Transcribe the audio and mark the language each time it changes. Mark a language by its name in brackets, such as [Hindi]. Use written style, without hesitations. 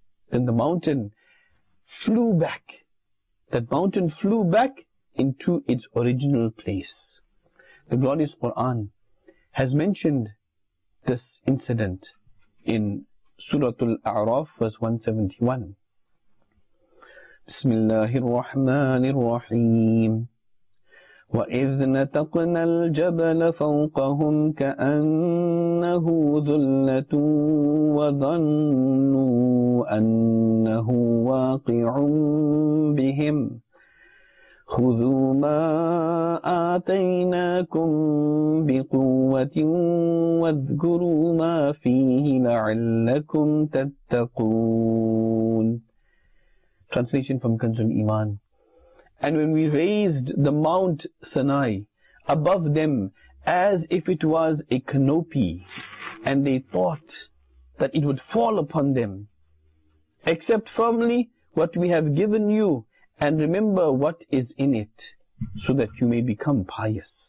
[English] Then the mountain flew back. That mountain flew back into its original place. The glorious Quran has mentioned this incident in Surah Al-A'raf, verse 171. [Arabic] بسم الله الرحمن الرحيم وإذ نتقن الجبل فوقهم كأنه ذلة وظنوا أنه واقع بهم خذوا ما آتيناكم بقوة واذكروا ما فيه لعلكم تتقون. [English] Translation from Kanzul Iman. And when we raised the Mount Sinai above them as if it was a canopy, and they thought that it would fall upon them, accept firmly what we have given you and remember what is in it so that you may become pious.